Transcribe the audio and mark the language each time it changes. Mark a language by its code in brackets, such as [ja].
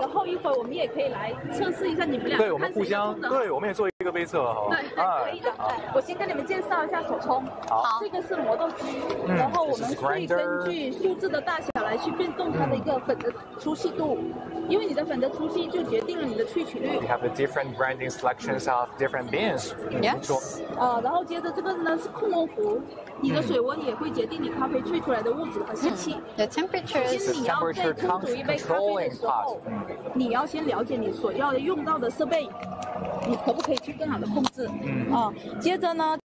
[zh] 然后一会儿我们也可以来测试一下你们俩。对，我们互相。对，我们也做一个杯测，好。对，可以的。我先跟你们介绍一下手冲。好。这个是磨豆机。然后我们可以根据数字的大小来去变动它的一个粉的粗细度，因为你的粉的粗细就决定了你的萃取率。 [en] We have the different grinding selections of different beans. Yes. [zh] 然后接着这个呢是控温壶，你的水温也会决定你咖啡萃出来的物质和湿气。 [en] The temperature. [zh] 其实你要在冲煮一杯咖啡的时候，你要先了解你所要用到的设备，你可不可以去更好的控制？接着呢。